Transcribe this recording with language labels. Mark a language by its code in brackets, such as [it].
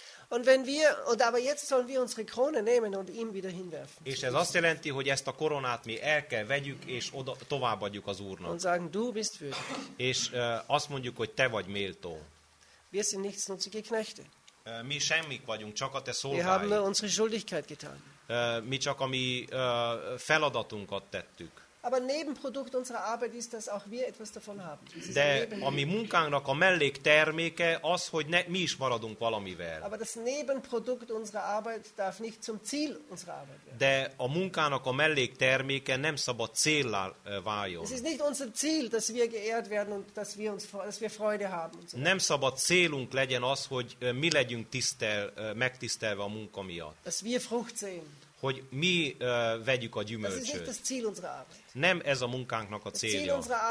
[de] Und wenn wir, und aber jetzt sollen wir unsere Krone nehmen und ihm wieder hinwerfen. [hu] És ez azt jelenti, hogy ezt a koronát mi el kell vegyük, és oda, továbbadjuk az Úrnak. [de] Und sagen, du bist würdig. [hu] És azt mondjuk, hogy te vagy méltó. [de] Wir sind nichts nutzige Knechte. [hu] Mi semmik vagyunk, csak a te szolgáid. [de] Wir haben unsere Schuldigkeit getan. [hu] Mi csak a mi feladatunkat tettük. [de] Aber Nebenprodukt unserer Arbeit ist, dass auch wir etwas davon haben. [hu] De a mi munkánknak a mellékterméke az, hogy mi is maradunk valamivel. [de] Aber das Nebenprodukt unserer Arbeit darf nicht zum Ziel unserer Arbeit werden. [hu] De a munkának a mellékterméke nem szabad céllá váljon. [de] Es ist nicht unser Ziel, dass wir geehrt werden und dass wir Freude haben. [hu] Nem szabad célunk legyen az, hogy mi legyünk megtisztelve a munka miatt. [de] Dass wir Frucht sehen. [hu] Hogy mi vegyük a gyümölcsöt. Nem ez a munkánknak a célja.